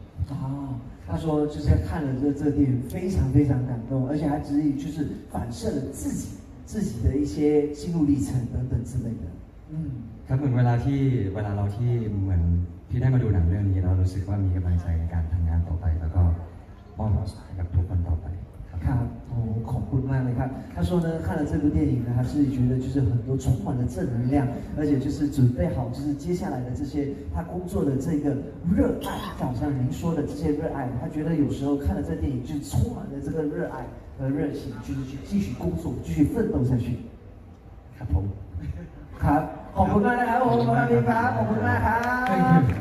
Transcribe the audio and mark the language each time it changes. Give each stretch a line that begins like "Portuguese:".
Chinese: อ๋อ他说就是看了这电影非常非常感动，而且他自己就是反射了自己的一些心路历程等等之类的。嗯，
Thai: ครับเหมือนเวลาเราที่เหมือนพี่ได้มาดูหนังเรื่องนี้เรารู้สึกว่ามีกำลังใจในการทำงานต่อไปแล้วก็มอบความสุขให้กับทุกคนต่อไป ครับโอ้ขอบคุณมากเลยครับ
Chinese: 他说呢看了这部电影呢他自己觉得就是很多充满了正能量而且就是准备好就是接下来的这些他工作的这个热爱好像您说的这些热爱他觉得有时候看了这电影就充满了这个热爱和热情就是去继续工作继续奋斗下去
Thai: ครับผม ครับขอบคุณมากนะครับผมขอบคุณมากครับขอบคุณมากครับ